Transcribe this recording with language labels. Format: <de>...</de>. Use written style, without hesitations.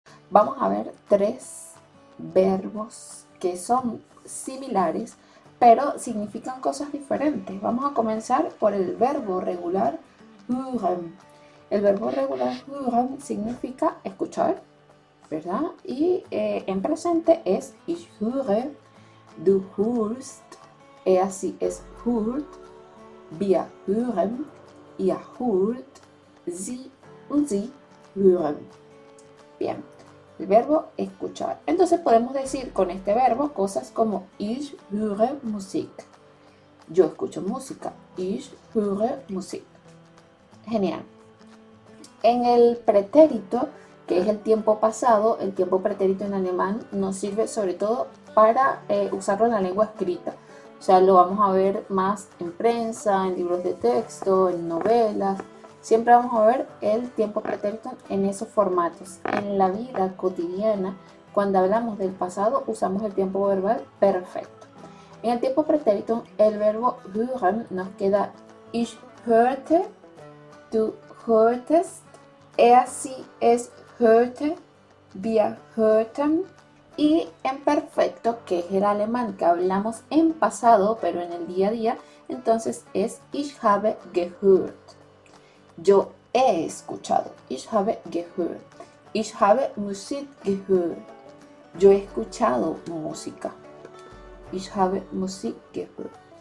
<es>Vamos a ver tres verbos que son similares, pero significan cosas diferentes. Vamos a comenzar por el verbo regular hören. El verbo regular hören significa escuchar, ¿verdad? Y en presente es</es> <de>ich höre, du hörst.</de> <es>Es así,</es> <de>es hört, wir hören, ihr hört, sie und sie hören.</de> <es>Bien, el verbo escuchar. Entonces podemos decir con este verbo cosas como</es> <de>ich höre Musik.</de> <es>Yo escucho música.</es> <de>Ich höre Musik.</de> <es>Genial. En el pretérito, que es el tiempo pasado, el tiempo pretérito en alemán nos sirve sobre todo para usarlo en la lengua escrita. O sea, lo vamos a ver más en prensa, en libros de texto, en novelas. Siempre vamos a ver el tiempo pretérito en esos formatos. En la vida cotidiana, cuando hablamos del pasado, usamos el tiempo verbal perfecto. En el tiempo pretérito, el verbo hören nos queda</es> <de>ich hörte, du hörtest, er sie es hörte, wir hörten.</de> <es>Y en perfecto, que es el alemán que hablamos en pasado, pero en el día a día, entonces es</es> <de>ich habe gehört.</de> <es>Yo he escuchado.</es> <de>Ich habe gehört. Ich habe Musik gehört.</de> <es>Yo he escuchado música.</es> <de>Ich habe Musik gehört.</de>